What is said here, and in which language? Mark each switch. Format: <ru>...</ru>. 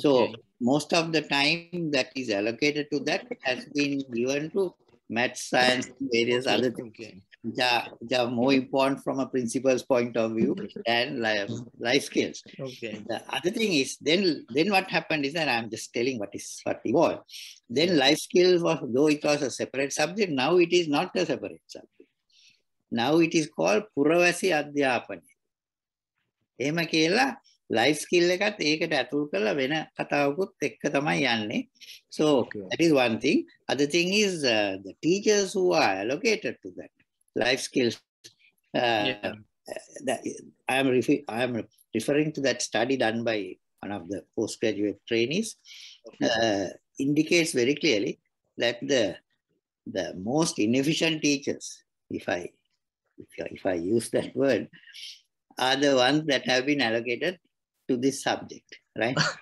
<en>So most of the time that is allocated to that has been given to math, science, various other things, which are more important from a principal's point of view than life skills. Okay. The other thing is, then what happened is that I'm just telling what evolved. Then life skills, though it was a separate subject, now it is not a separate subject. Now it is called Puravasi Adhyapani.</en> <si>එහෙම කියලා life skill එකත් ඒකට ඇතුල් කරලා වෙන කතාවකුත් එක්ක තමයි යන්නේ.</si> <en>So that is one thing. Other thing is the teachers who are allocated to that life skills. I am referring to that study done by one of the postgraduate trainees. Indicates very clearly that the most inefficient teachers, if I use that word, are the ones that have been allocated to this subject, right?</en>